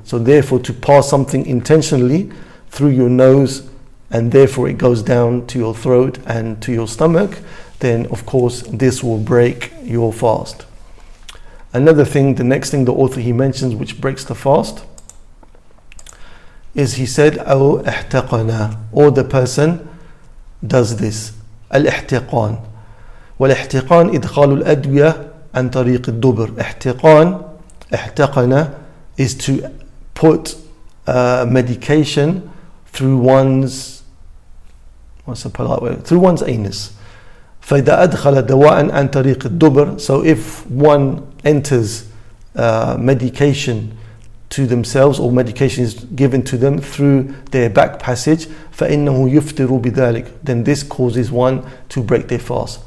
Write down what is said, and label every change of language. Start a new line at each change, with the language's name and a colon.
English: So therefore, to pass something intentionally through your nose and therefore it goes down to your throat and to your stomach, then of course this will break your fast. Another thing, the next thing the author he mentions which breaks the fast, is he said,
Arabic: أَوْ اِحْتَقَنَا,
English: or the person does this.
Arabic: الاحتقان. والاحتقان إدخال الأدوية عن طريق الدبر.
English: احتقان, احتقَنَا, is to put medication through one's, what's a polite word, through one's anus.
Arabic: فإذا أدخل دواء عن طريق الدبر,
English: so if one enters medication to themselves or medication is given to them through their back passage,
Arabic: فإنه يفطر بذلك,
English: then this causes one to break their fast.